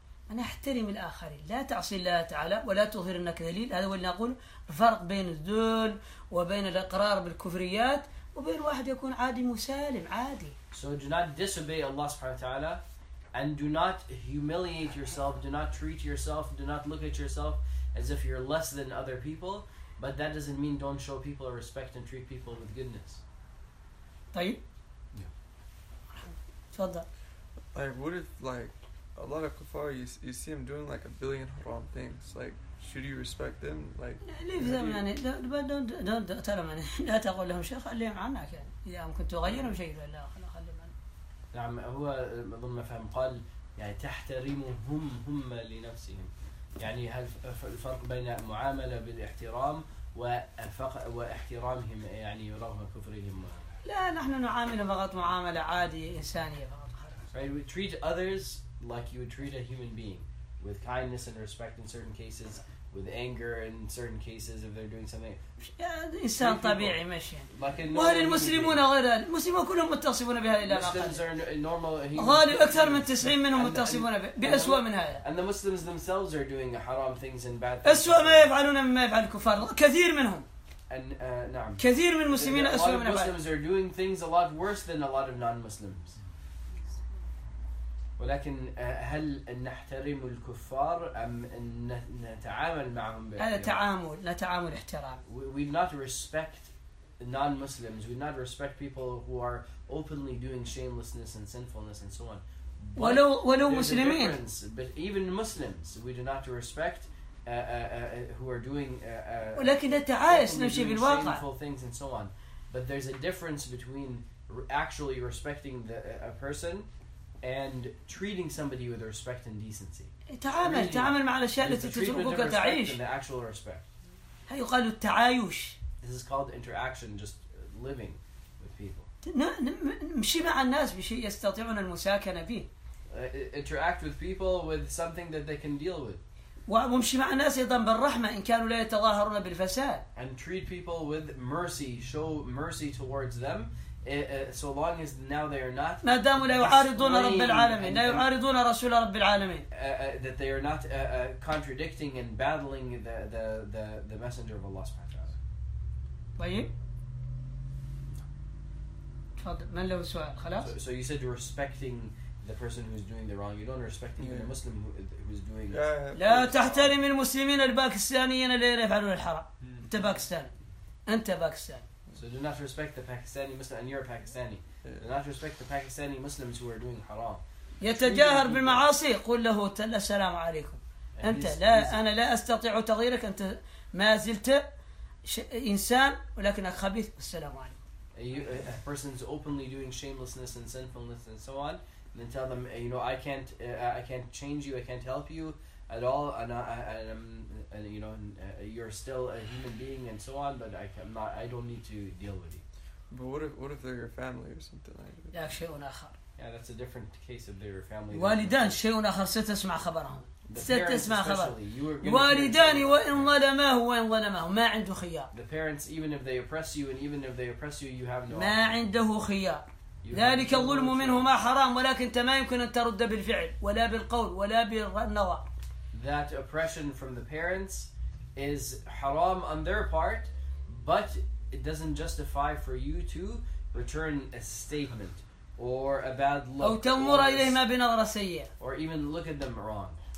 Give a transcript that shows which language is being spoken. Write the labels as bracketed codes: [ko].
[ar] أنا أحترم الآخرين. لا تعصي الله تعالى ولا تظهر أنك ذليل. هذا هو اللي نقول فرق بين الذل وبين الإقرار بالكفريات وبين واحد يكون عادي مسالم عادي. [en] So do not disobey Allah subhanahu wa ta'ala, and do not humiliate yourself. Do not treat yourself. Do not look at yourself as if you're less than other people. But that doesn't mean don't show people respect and treat people with goodness. [ar] طيب. [en] Yeah. [ar] تفضل. [en] Like what if like a lot of kuffar, you see them doing like a billion haram things. Like, should you respect them? Like, leave them. [ar] يعني [en] don't tell them. [ar] يعني لا تقول لهم شيء خليهم عنك يعني إذا ممكن تغيرهم شيء ولا خليهم عنك. نعم هو ضمن فهم قال يعني تحترمهم هم لنفسهم. يعني هل الفرق بين معاملة بالاحترام واحترامهم يعني رغم كفرهم؟ لا نحن نعامل فقط معاملة عادية إنسانية فقط. [en] Right, we treat others like you would treat a human being, with kindness and respect in certain cases, with anger in certain cases if they're doing something. [ar] إنسان طبيعي ماشي. وهل المسلمون غير المسلمون كلهم متصفون بهذه العلاقات؟ [en] Muslims are normal. [ar] غالي أكثر من 90 منهم متصفون بأسوأ من هذا. [en] And the Muslims themselves are doing haram things and bad things. [ar] أسوأ ما يفعلون مما يفعل الكفار كثير منهم. [en] And [ar] نعم. كثير من المسلمين أسوأ من هذا. [en] Muslims are doing things a lot worse than a lot of non-Muslims. [ar] ولكن هل نحترم الكفار أم نتعامل معهم بإحترام؟ هذا تعامل، لا تعامل احترام. [en] We not respect non-Muslims. We not respect people who are openly doing shamelessness and sinfulness and so on. [ar] ولو مسلمين. [en] But even Muslims, we do not respect who are doing. [ar] ولكن نتعايش نمشي بالواقع. [en] Shameful things and so on. But there's a difference between actually respecting a person and treating somebody with respect and decency. [ar] تعامل تعامل مع الأشياء التي تجربك تعيش. [en] And the actual respect. [ar] هاي يقال التعايش. [en] This is called interaction, just living with people. [ar] نمشي مع الناس بشيء يستطيعون المساكنة به. [en] Interact with people with something that they can deal with. [ar] ومشي مع الناس أيضا بالرحمة إن كانوا لا يتظاهرون بالفساد. [en] And treat people with mercy, show mercy towards them. So long as now they are not. [ar] ما داموا لا يعارضون رب العالمين، لا يعارضون رسول رب العالمين. [en] That they are not contradicting and battling the messenger of Allah سبحانه وتعالى. [ar] طيب. من له سؤال خلاص. [en] So you said respecting the person who is doing the wrong. You don't respect even a Muslim who is doing. [ar] لا تحترم المسلمين الباكستانيين الذين يفعلون الحرام. أنت باكستاني. أنت باكستاني. [en] So do not respect the Pakistani Muslim, and you're a Pakistani. Do not respect the Pakistani Muslims who are doing haram. [ar] يتجاهر بالمعاصي قل له تلا السلام عليكم. أنت لا أنا لا أستطيع تغييرك أنت ما زلت إنسان ولكنك خبيث السلام عليكم. [en] A person is openly doing shamelessness and sinfulness and so on, then tell them, you know, I can't change you, I can't help you at all, and you know, you're still a human being and so on, but I don't need to deal with you. But what if they're your family or something like that? Yeah, [ar] شيء آخر. [en] Yeah, that's a different case if they're your family. [ar] والدان شيء آخر ستسمع خبرهم. ستسمع خبرهم. والدان وإن ظلمه وإن ظلمه ما عنده خيار. The parents, even if they oppress you, and even if they oppress you, you have no. ما عنده خيار. ذلك الظلم منهما حرام ولكن ما يمكن أن ترد بالفعل ولا بالقول ولا بالنوى. [en] That oppression from the parents is haram on their part, but it doesn't justify for you to return a statement or a bad look or even look at them wrong.